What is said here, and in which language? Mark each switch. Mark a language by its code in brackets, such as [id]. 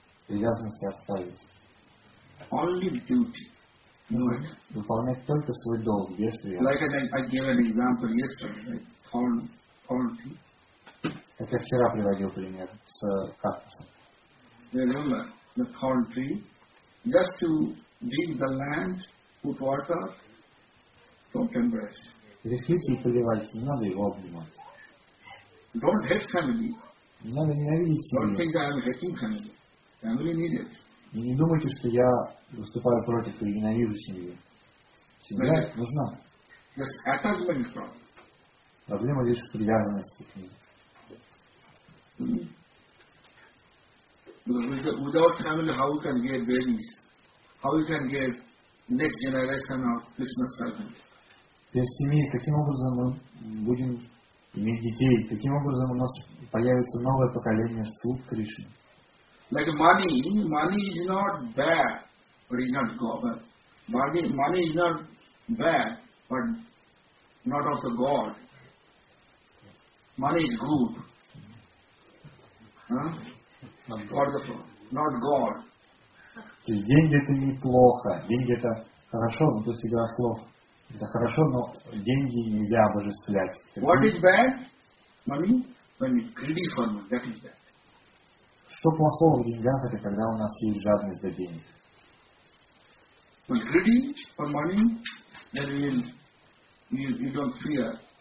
[ru] привязанности отставить. [en] only duty. [ru] Выполнять только свой долг, действие. [en] Like I gave an example yesterday, right? [ru] Как я вчера приводил пример с кактусом. [en] The thorn tree, just to dig the land, put water, don't embrace. [ru] Решите и поливайте, не надо его обнимать. [en] Don't hate family. [ru] Не надо ненавидеть семью. [en] Don't think I'm hating family. Family need it. [ru] И не думайте, что я выступаю против или ненавижу семью. Семья нужна. [en] Just attachment problem. [ru] Проблема лишь в привязанности к ней. [en] Without family, how we can get babies? How we can get next generation of Christmas present? [ru] Без семьи, каким образом мы будем иметь детей? Каким образом у нас появится новое поколение слуг Кришны? [en] Like money is not bad, but it's not God. Money is not bad, but not also God. Money is good. Not God. [ru] То есть деньги это неплохо, деньги это хорошо, но то есть игра слов. Это хорошо, но деньги нельзя обожествлять. [en] What is bad? Money? When we greedy for money, that is bad. [ru] Что плохого в деньгах, это когда у нас есть жадность за денег. [en] When greedy for money, then you don't fear.